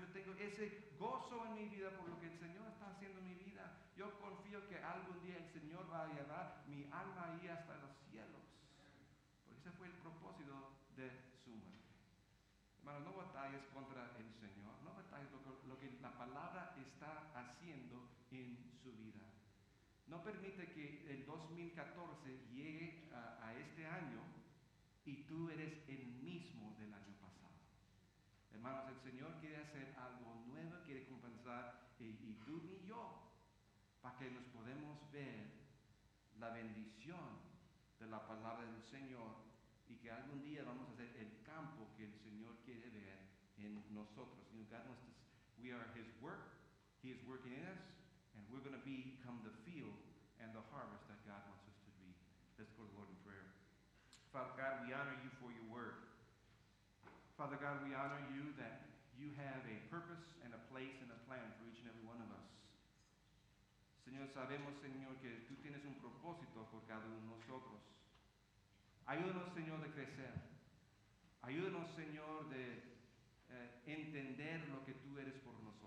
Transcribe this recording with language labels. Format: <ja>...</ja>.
<es>Yo tengo ese gozo en mi vida por lo que el Señor está haciendo en mi vida. Yo confío que algún día el Señor va a llevar mi alma ahí hasta los cielos. Porque ese fue el propósito de su muerte. Hermano, no batalles contra el Señor. No batalles lo que la palabra está haciendo en su vida. No permite que el 2014 llegue a este año y tú eres el mismo del año pasado. Hermanos, el Señor quiere hacer algo nuevo, quiere compensar y tú y yo, para que nos podamos ver la bendición de la palabra del Señor y que algún día vamos a ser el campo que el Señor quiere ver en nosotros.</es> <en>You know, God wants us, we are His work, He is working in us. And we're going to become the field and the harvest that God wants us to be. Let's go to the Lord in prayer. Father God, we honor you for your word. Father God, we honor you that you have a purpose and a place and a plan for each and every one of us.</en> <es>Señor, sabemos, Señor, que tú tienes un propósito por cada uno de nosotros. Ayúdanos, Señor, de crecer. Ayúdanos, Señor, de entender lo que tú eres por nosotros.</es>